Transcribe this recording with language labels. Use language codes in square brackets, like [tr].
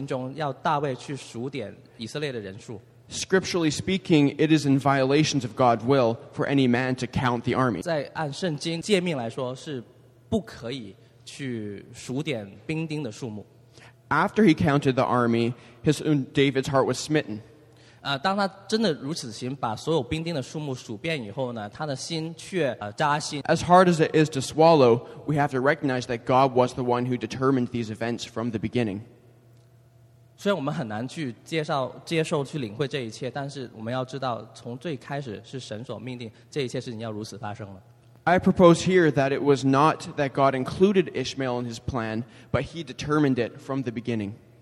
[zh] 在列王记上提到有一处，就是里面是这样记载说，是神把这样的意念放在大卫的心中，要大卫去数点以色列的人数。 [en] Scripturally speaking, it is in violations of God's will for any man to count the army. [zh] 在按圣经诫命来说，是不可以。 [en] After he counted the army, David's heart was smitten. [zh] 当他真的如此行，把所有兵丁的数目数遍以后呢，他的心却扎心。 [en] As hard as it is to swallow, we have to recognize that God was the one who determined these events from the beginning. [zh] 虽然我们很难去接受、去领会这一切，但是我们要知道，从最开始是神所命定，这一切事情要如此发生了。 [en] I propose here that it was not that God included Ishmael in his plan, but he determined it from the beginning.